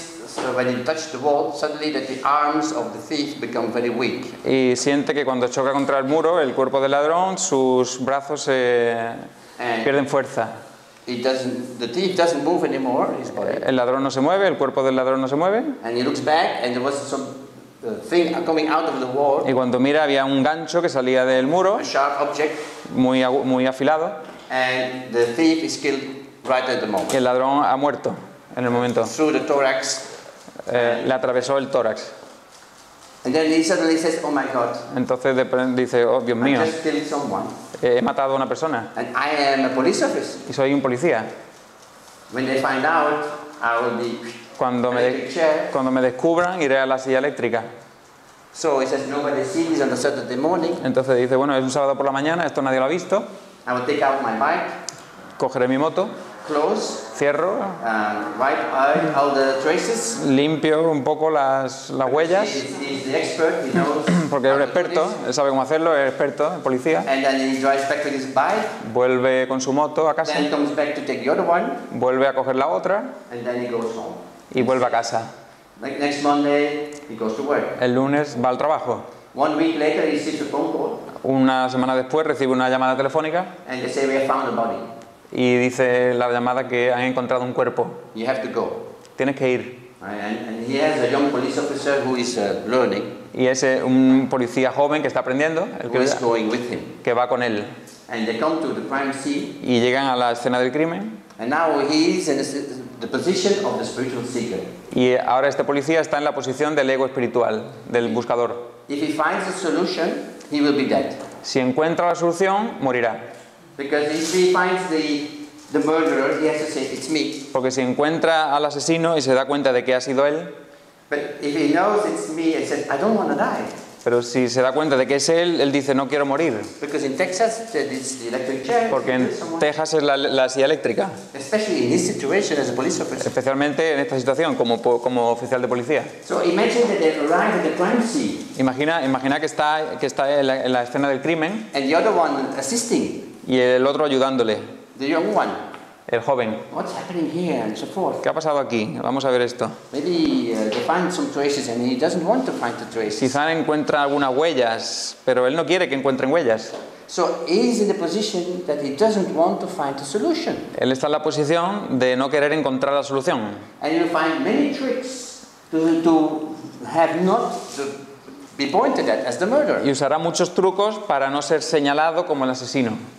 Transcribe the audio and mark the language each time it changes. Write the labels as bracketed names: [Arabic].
[English] So when he touched the wall, suddenly that the arms of the thief become very weak. [Spanish] Y siente que cuando choca contra el muro, el cuerpo del ladrón, sus brazos pierden fuerza. [English] The thief doesn't move anymore. His body. [Spanish] El ladrón no se mueve, el cuerpo del ladrón no se mueve. [English] And he looks back, and there was some thing coming out of the wall. [Spanish] Y cuando mira, había un gancho que salía del muro. [English] A sharp object. [Spanish] Muy afilado. [English] And the thief is killed right at the moment. [Spanish] Y el ladrón ha muerto en el momento. [English] Through the thorax. [Spanish] Le atravesó el tórax. [English] And then he suddenly says, "Oh my God." [Spanish] Entonces dice, "Oh, Dios mío, [English] I just killed someone. [Spanish] He matado a una persona." [English] And I am a police officer. [Spanish] Y soy un policía. [English] When they find out, I will be [Spanish] cuando me descubran, iré a la silla eléctrica. [English] So he says, "Nobody sees on a Saturday morning." [Spanish] Entonces dice, bueno, es un sábado por la mañana, esto nadie lo ha visto. [English] I will take out my bike. [Spanish] Cogeré mi moto. [English] Close. [Spanish] Cierro. [English] Wipe out all the traces. [Spanish] Limpio un poco las huellas. [English] He's the expert, he knows. [Spanish] Porque es un experto, él sabe cómo hacerlo, es experto, el policía. [English] And then he drives back to his bike. [Spanish] Vuelve con su moto a casa. [English] Then comes back to take the other one. [Spanish] Vuelve a coger la otra. [English] And then he goes home. [Spanish] Y vuelve a casa. [English] Like next Monday, he goes to work. [Spanish] El lunes va al trabajo. [English] One week later, he sees a phone call. [Spanish] Una semana después recibe una llamada telefónica. [English] And they say, "We have found a body." [Spanish] Y dice la llamada que han encontrado un cuerpo. [English] You have to go. [Spanish] Tienes que ir. [English] And he has a young police officer who is learning. [Spanish] Y es un policía joven que está aprendiendo. [English] Who is going with him. [Spanish] Que va con él. [English] And they come to the crime scene. [Spanish] Y llegan a la escena del crimen. [English] And now he is in the position of the spiritual seeker. [Spanish] Y ahora este policía está en la posición del ego espiritual, del buscador. [English] If he finds a solution, he will be dead. [Spanish] Si encuentra la solución, morirá. [English] Because if he finds the murderer, he has to say it's me. [Spanish] Porque si encuentra al asesino y se da cuenta de que ha sido él. [English] But if he knows it's me, he says I don't want to die. [Spanish] Pero si se da cuenta de que es él, él dice no quiero morir. [English] Because in Texas, it's the electric chair. [Spanish] Porque en Texas es la silla eléctrica. [English] Especially in this situation as a police officer. [Spanish] Especialmente en esta situación como oficial de policía. [English] So imagine that they arrive at the crime scene. [Spanish] Imagina que está en la escena del crimen. [English] And the other one assisting. [Spanish] Y el otro ayudándole. [English] The young one. [Spanish] El joven. [English] What's happening here and so forth. [Spanish] ¿Qué ha pasado aquí? Vamos a ver esto. [English] Maybe they find some traces and he doesn't want to find the traces. [Spanish] Quizá encuentra algunas huellas, pero él no quiere que encuentren huellas. [English] So he's in the position that he doesn't want to find the solution. [Spanish] Él está en la posición de no querer encontrar la solución. [English] And you'll find many tricks to have not the be pointed at as the murderer. [Spanish] Y usará muchos trucos para no ser señalado como el asesino.